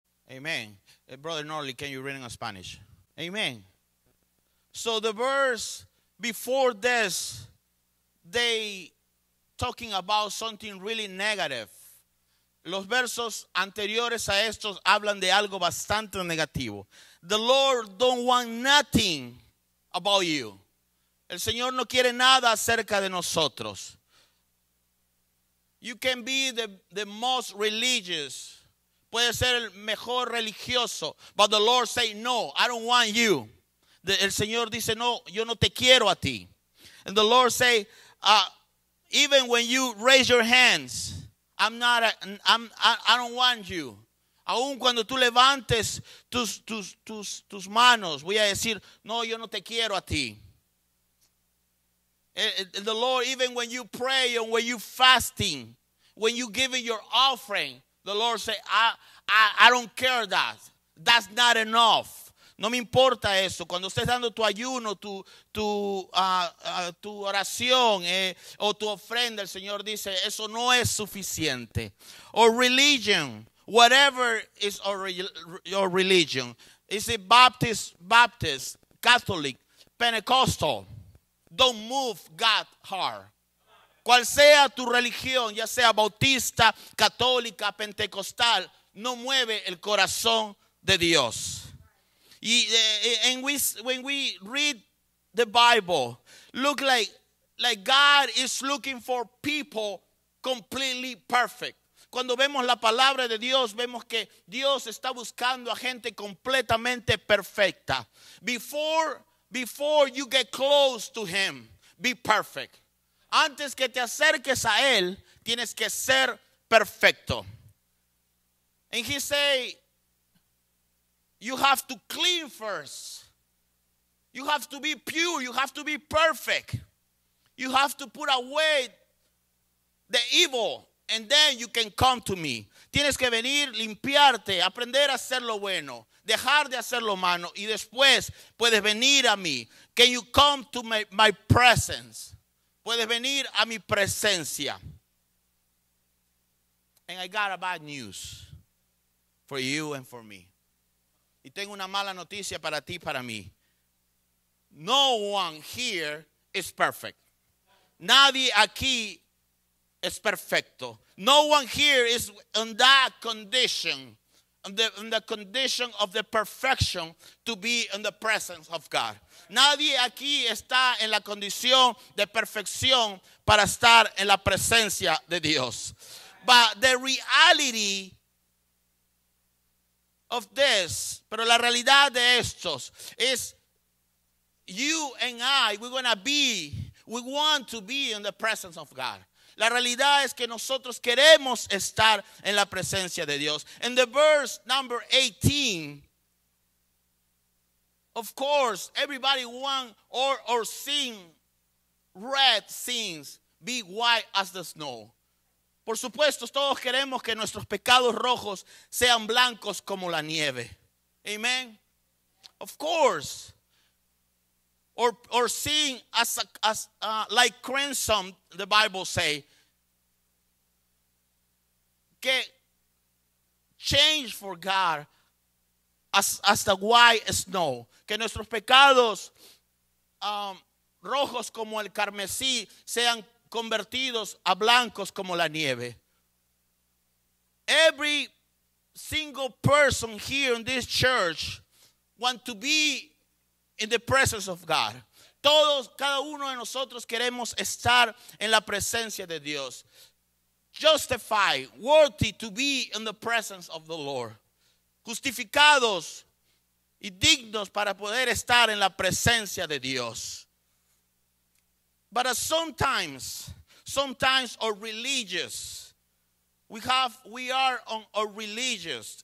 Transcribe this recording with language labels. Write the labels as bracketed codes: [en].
[en] Amen. Brother Norley, can you read in Spanish? Amen. So the verse before this, they talking about something really negative. [es] Los versos anteriores a estos hablan de algo bastante negativo. [en] The Lord don't want nothing about you. [es] El Señor no quiere nada acerca de nosotros. [en] You can be the most religious. [es] Puede ser el mejor religioso. [en] But the Lord say, no, I don't want you. [es] El Señor dice, no, yo no te quiero a ti. [en] And the Lord say, even when you raise your hands, I don't want you. [es] Aun cuando tú levantes tus manos, voy a decir, no, yo no te quiero a ti. [en] And the Lord, even when you pray and when you fasting, when you giving your offering, the Lord say, I don't care that. That's not enough. [es] No me importa eso. Cuando estés dando tu ayuno, tu oración o tu ofrenda, el Señor dice, eso no es suficiente. [en] Or religion, whatever is your religion. Is it Baptist, Catholic, Pentecostal? Don't move God's heart. [es] Cual sea tu religión, ya sea bautista, católica, pentecostal, no mueve el corazón de Dios. [en] Y when we read the Bible, look like God is looking for people completely perfect. [es] Cuando vemos la palabra de Dios, vemos que Dios está buscando a gente completamente perfecta. [en] Before you get close to Him, be perfect. [es] Antes que te acerques a él, tienes que ser perfecto. [en] And he say, you have to clean first. You have to be pure. You have to be perfect. You have to put away the evil. And then you can come to me. [es] Tienes que venir, limpiarte, aprender a hacer lo bueno. Dejar de hacer lo malo. Y después puedes venir a mí. [en] Can you come to my presence? [es] Puedes venir a mi presencia. [en] And I got a bad news for you and for me. [es] Y tengo una mala noticia para ti y para mí. [en] No one here is perfect. [es] Nadie aquí es perfecto. [en] No one here is in that condition, in the condition of the perfection to be in the presence of God. [es] Nadie aquí está en la condición de perfección para estar en la presencia de Dios. [en] But the reality of this, [es] pero la realidad de estos, [en] is you and I, we're going to be, We want to be in the presence of God. [es] La realidad es que nosotros queremos estar en la presencia de Dios. [en] In the verse number 18, of course, everybody want or seen red things be white as the snow. [es] Por supuesto, todos queremos que nuestros pecados rojos sean blancos como la nieve. [en] Amen. Of course. Or seeing as like crimson, the Bible say, que change for God as the white snow. [es] Que nuestros pecados rojos como el carmesí sean convertidos a blancos como la nieve. [en] Every single person here in this church want to be in the presence of God. [es] Todos, cada uno de nosotros queremos estar en la presencia de Dios. [en] Justified, worthy to be in the presence of the Lord. [es] Justificados y dignos para poder estar en la presencia de Dios. [en] But sometimes our religious, we are on our religious.